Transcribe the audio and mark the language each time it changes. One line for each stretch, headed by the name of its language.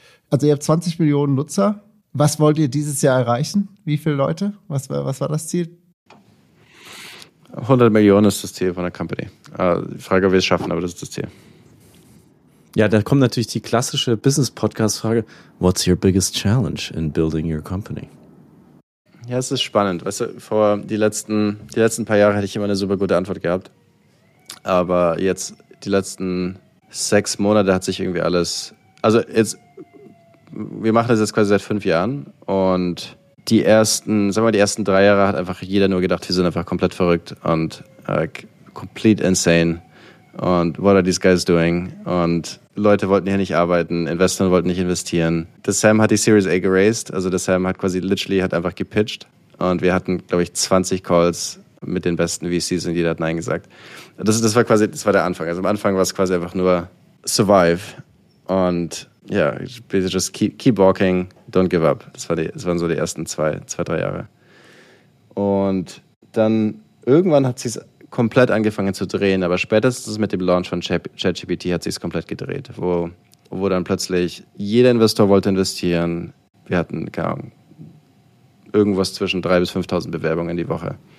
German: Also ihr habt 20 Millionen Nutzer. Was wollt ihr dieses Jahr erreichen? Wie viele Leute? Was war das Ziel? 100 Millionen ist das Ziel von der Company. Die Frage, ob wir es schaffen, aber das ist das Ziel. Ja, da kommt natürlich die klassische Business-Podcast-Frage.
English: What's your biggest challenge in building your company?
German: Ja, es ist spannend. Weißt du, vor die letzten paar Jahre hatte ich immer eine super gute Antwort gehabt. Aber jetzt, die letzten 6 Monate hat sich irgendwie alles... Also jetzt, wir machen das jetzt quasi seit 5 Jahren. Und die ersten, sagen wir mal, die ersten 3 Jahre hat einfach jeder nur gedacht, wir sind einfach komplett verrückt und
English: complete insane.
German: Und
English: what are these guys doing?
German: Und Leute wollten hier nicht arbeiten, Investoren wollten nicht investieren. Der Sam hat die Series A geraced, also der Sam hat quasi literally hat einfach gepitcht. Und wir hatten, glaube ich, 20 Calls mit den besten VCs und jeder hat Nein gesagt. Das war der Anfang. Also am Anfang war es quasi einfach nur survive. Und ja,
English: yeah, just keep walking, don't give up.
German: Das waren so die ersten 2-3 Jahre. Und dann irgendwann hat sich's komplett angefangen zu drehen, aber spätestens mit dem Launch von ChatGPT hat sich's komplett gedreht, wo dann plötzlich jeder Investor wollte investieren. Wir hatten, keine Ahnung, irgendwas zwischen 3.000 bis 5.000 Bewerbungen die Woche.